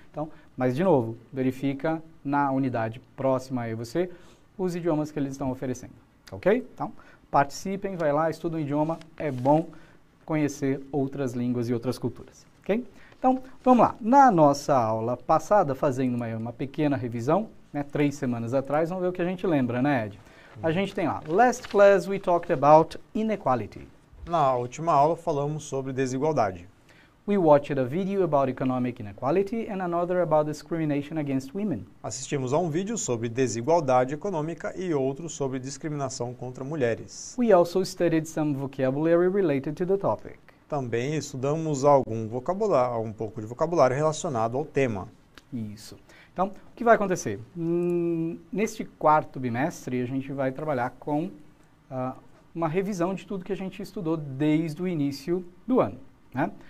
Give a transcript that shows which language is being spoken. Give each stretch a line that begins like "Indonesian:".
Portuguese: Então, mas de novo, verifica na unidade próxima aí você os idiomas que eles estão oferecendo, ok? Então, participem, vai lá, estuda um idioma, é bom conhecer outras línguas e outras culturas, ok? Então, vamos lá. Na nossa aula passada, fazendo uma pequena revisão, né, 3 semanas atrás, vamos ver o que a gente lembra, né, Ed? A gente tem lá,
English: last class we talked about inequality.
Portuguese: Na última aula falamos sobre desigualdade.
English: We watched a video about economic inequality and another about discrimination against women.
Portuguese: Assistimos a um vídeo sobre desigualdade econômica e outro sobre discriminação contra mulheres.
English: We also studied some vocabulary related to the topic.
Portuguese: Também estudamos algum vocabulário, um pouco de vocabulário relacionado ao tema. Isso. Então, o que vai acontecer? Neste quarto bimestre, a gente vai trabalhar com uma revisão de tudo que a gente estudou desde o início do ano, né?